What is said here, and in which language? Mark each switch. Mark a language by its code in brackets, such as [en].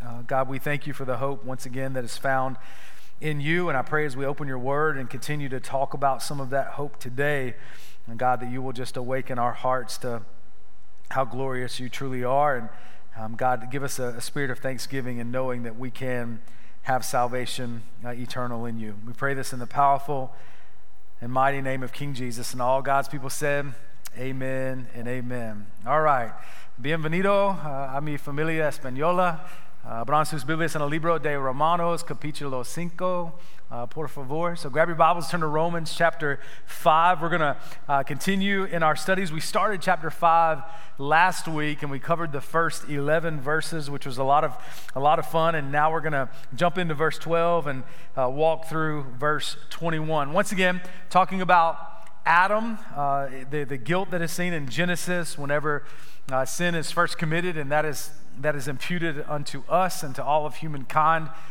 [en] God, we thank you for the hope once again that is found in you, and I pray as we open your word and continue to talk about some of that hope today, and God, that you will just awaken our hearts to how glorious you truly are, and God, give us a spirit of thanksgiving and knowing that we can have salvation eternal in you. We pray this in the powerful and mighty name of King Jesus. And all God's people said, amen and amen. All right. [es] Bienvenido a mi familia española. Abran sus Biblias en el libro de Romanos, capítulo 5. Por favor. [en] So grab your Bibles, turn to Romans chapter 5. We're going to continue in our studies. We started chapter 5 last week, and we covered the first 11 verses, which was a lot of fun. And now we're going to jump into verse 12 and walk through verse 21. Once again, talking about Adam, the guilt that is seen in Genesis whenever sin is first committed, and that is imputed unto us and to all of humankind.